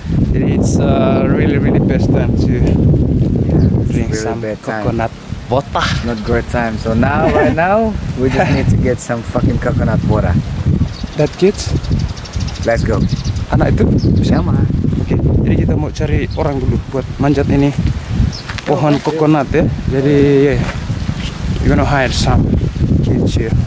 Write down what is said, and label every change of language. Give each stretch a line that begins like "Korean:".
English: Jadi it's a really really best time to drink some coconut. Botah. Not great time. So now, right now, we just need to get some fucking coconut water. That kids? Let's go.
Indonesian: Anak itu? Sama.
English: Okay.
Indonesian: Jadi kita mau cari orang dulu buat manjat ini pohon coconut ya. Jadi, yeah.
English: We're gonna hire some kids here.